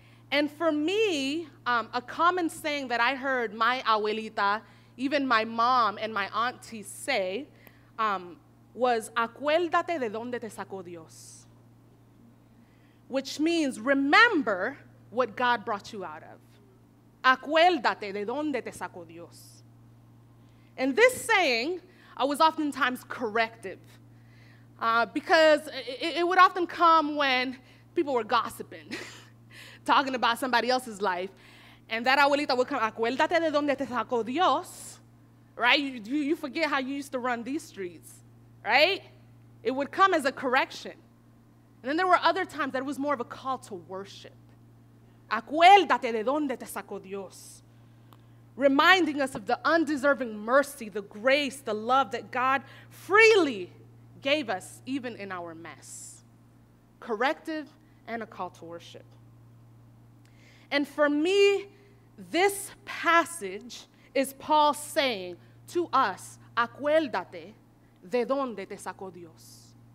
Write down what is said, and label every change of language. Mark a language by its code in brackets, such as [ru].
[en] And for me, a common saying that I heard my abuelita, even my mom and my auntie say, was [es] acuérdate de donde te sacó Dios, [en] which means remember what God brought you out of. [es] Acuérdate de donde te sacó Dios. [en] And this saying was oftentimes corrective. Because it would often come when people were gossiping, talking about somebody else's life, and that abuelita would come, [es] acuérdate de donde te sacó Dios, [en] right? You forget how you used to run these streets, right? It would come as a correction. And then there were other times that it was more of a call to worship. [es] Acuérdate de donde te sacó Dios. [en] Reminding us of the undeserving mercy, the grace, the love that God freely gave us even in our mess. Corrective and a call to worship. And for me, this passage is Paul saying to us, [es] acuérdate de donde te sacó Dios.